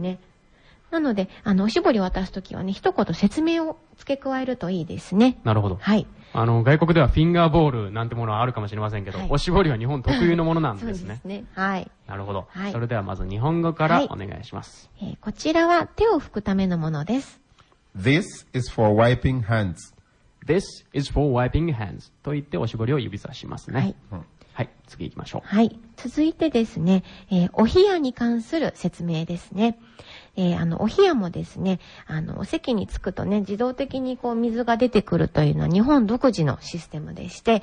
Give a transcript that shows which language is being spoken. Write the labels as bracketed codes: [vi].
[ja] ははははなのであのおしぼり渡すときはね一言説明を付け加えるといいですね。なるほど。はい、あの外国ではフィンガーボールなんてものはあるかもしれませんけど、はい、おしぼりは日本特有のものなんですね。そうですね。はい。なるほど、はい。それではまず日本語からお願いします、はい。こちらは手を拭くためのものです。 [en] This is for wiping hands. This is for wiping hands. [ja] と言っておしぼりを指さしますね。はい。うん、はい。次行きましょう。はい。続いてですね、お部屋に関する説明ですね。あのお部屋もですね、あのお席に着くとね自動的にこう水が出てくるというのは日本独自のシステムでして、